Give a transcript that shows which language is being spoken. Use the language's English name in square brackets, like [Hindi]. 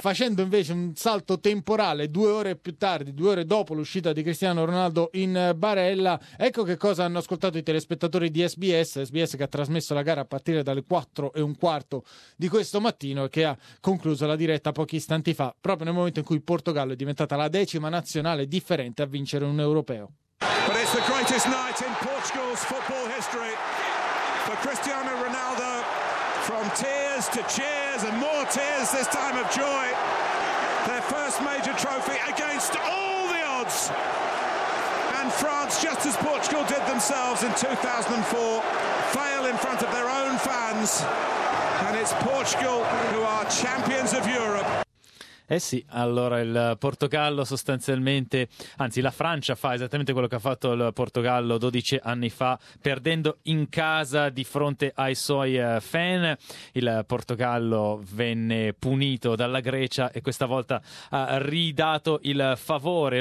[Italian] Facendo invece un salto temporale, 2 ore dopo l'uscita di Cristiano Ronaldo in barella, ecco che cosa hanno ascoltato i telespettatori di SBS che ha trasmesso la gara a partire dalle 4:15 di questo mattino, che ha concluso la diretta pochi istanti fa, proprio nel momento in cui il Portogallo è diventata la 10ª nazionale differente a vincere un europeo. [English] But it's the greatest night in Portugal's football history. For Cristiano Ronaldo, from tears to cheers and more tears this time of joy. Their first major trophy against all the odds. And France, just as Portugal did themselves in 2004, fail in front of their own fans. And it's Portugal who are champions of Europe. [Italian] Sì, allora il Portogallo sostanzialmente, anzi la Francia fa esattamente quello che ha fatto il Portogallo 12 anni fa, perdendo in casa di fronte ai suoi fan. Il Portogallo venne punito dalla Grecia e questa volta ha ridato il favore.